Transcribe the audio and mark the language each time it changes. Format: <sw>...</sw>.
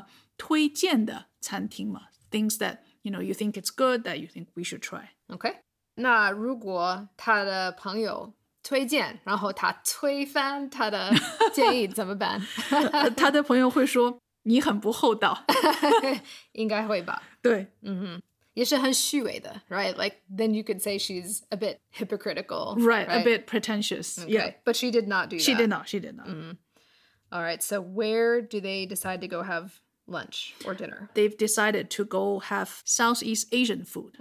<zh>你有什么推荐的餐厅吗?</zh> <en>Things that, you know, you think it's good, that you think we should try. Okay.</en> <zh>那如果他的朋友... 推荐, 然后他推翻他的建议怎么办? 他的朋友会说, 你很不厚道. 应该会吧。对。也是很虚伪的,</zh> <en>right? Like, then you could say she's a bit hypocritical. Right, a bit pretentious. Okay. Yeah. But she did not do she that. She did not, she did not. Mm-hmm. All right, so where do they decide to go have lunch or dinner? They've decided to go have Southeast Asian food.</en>